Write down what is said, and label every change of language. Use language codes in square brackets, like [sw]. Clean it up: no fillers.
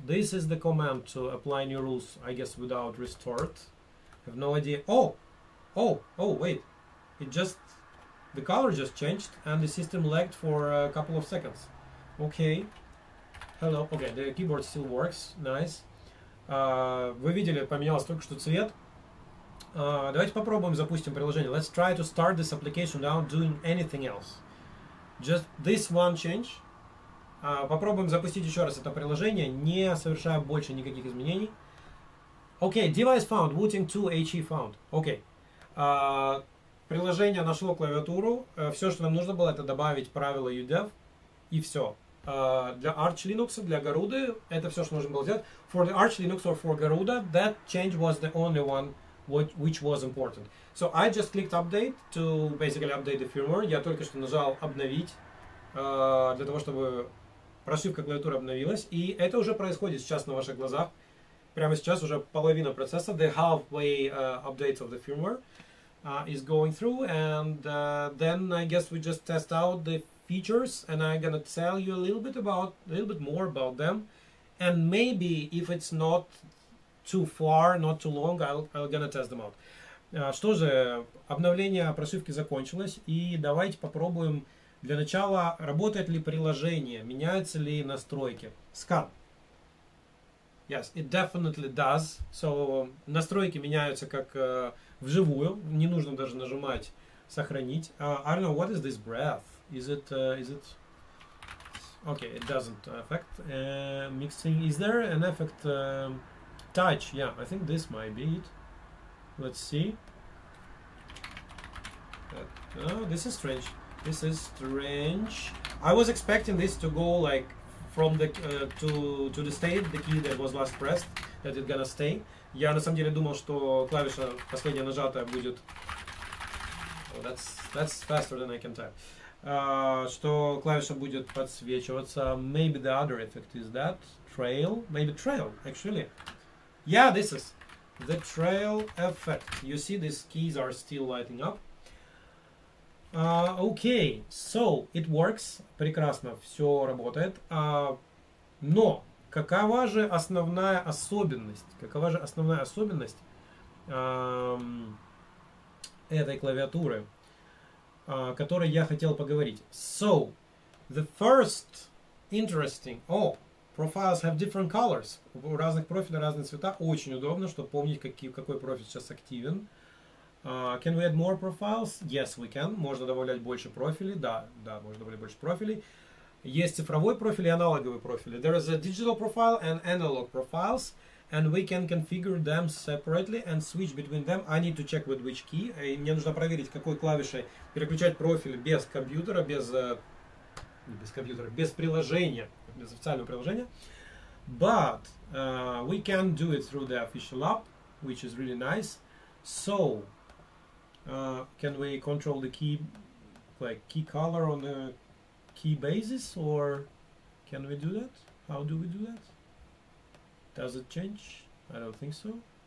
[en] This is the command to apply new rules, I guess, without restart. Have no idea. Oh, wait. It just... The color just changed and the system lagged for a couple of seconds. Okay. Hello. Okay, the keyboard still works. Nice. [ru] Вы видели, поменялось только что цвет. Давайте попробуем запустим приложение. [en] Let's try to start this application without doing anything else. Just this one change. [ru] Попробуем запустить еще раз это приложение, не совершая больше никаких изменений. [en] Okay, device found. Wooting 2 HE found. Okay. [ru] Приложение нашло клавиатуру. Все, что нам нужно было, это добавить правила UDEV. И все. Для Arch Linux, для Garuda, это все, что нужно было сделать. [en] For the Arch Linux or for Garuda, that change was the only one which was important. So I just clicked update to basically update the firmware. [ru] Я только что нажал обновить, для того, чтобы прошивка клавиатуры обновилась. И это уже происходит сейчас на ваших глазах. Прямо сейчас уже половина процесса, [en] the halfway update of the firmware is going through. And then I guess we just test out the features and I'm gonna tell you a little bit more about them. And maybe if it's not too far, not too long, I'll gonna test them out. [ru] Что же, обновление прошивки закончилось. И давайте попробуем для начала, работает ли приложение, меняются ли настройки. [en] Scan. Yes, it definitely does. [ru] So, настройки меняются как вживую. Не нужно даже нажимать сохранить. [en] I don't know, what is this breath? Is it... Okay, it doesn't affect mixing. Is there an effect touch? Yeah, I think this might be it. Let's see. This is strange. This is strange. I was expecting this to go like... from the to the state, the key that was last pressed, that it's gonna stay. [ru] Я на самом деле думал, что клавиша последняя нажатая будет... [en] Oh, that's faster than I can type. [ru] Что клавиша будет подсвечиваться. [en] Maybe the other effect is that. Trail? Maybe trail, actually. Yeah, this is the trail effect. You see, these keys are still lighting up. Okay, so it works. [ru] Прекрасно, все работает. Но какова же основная особенность? Какова же основная особенность этой клавиатуры, о которой я хотел поговорить? [en] So, the first interesting... Oh, profiles have different colors. [ru] У разных профилей разные цвета. Очень удобно, чтобы помнить, какой профиль сейчас активен. [en] Can we add more profiles? Yes, we can. [ru] Можно добавлять больше профилей. Да, можно добавлять больше профилей. Есть цифровой профиль и аналоговый профиль. [en] There is a digital profile and analog profiles. And we can configure them separately and switch between them. I need to check with which key. [ru] И мне нужно проверить, какой клавишей переключать профиль без компьютера, без приложения, без официального приложения. [en] But we can do it through the official app, which is really nice. So... can we control the key, like key color on the key basis, or can we do that? How do we do that? Does it change? I don't think so.